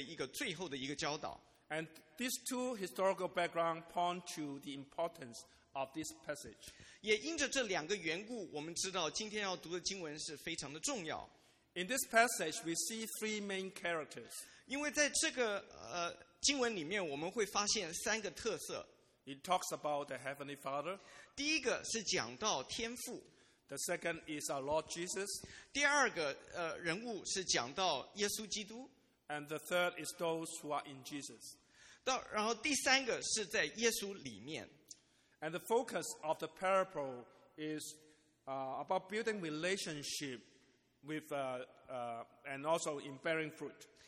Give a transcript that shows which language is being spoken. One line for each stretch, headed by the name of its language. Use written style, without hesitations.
Chinese: 我是的七个教导当中的一个最后的一个教导。And
English: these two historical backgrounds point to the importance of this passage.
Chinese: 也因着这两个缘故，我们知道今天要读的经文是非常的重要。In
English: this passage, we see three main characters.
Chinese: 因为在这个经文里面，我们会发现三个特色。It
English: talks about the Heavenly Father.
Chinese: 第一个是讲到天父。
English: The second is our Lord Jesus.
Chinese: 第二个人物是讲到耶稣基督。
English: And the third is those who are in Jesus.
Chinese: 然后第三个是在耶稣里面。
English: And the focus of the parable is about building relationship with and also in bearing fruit.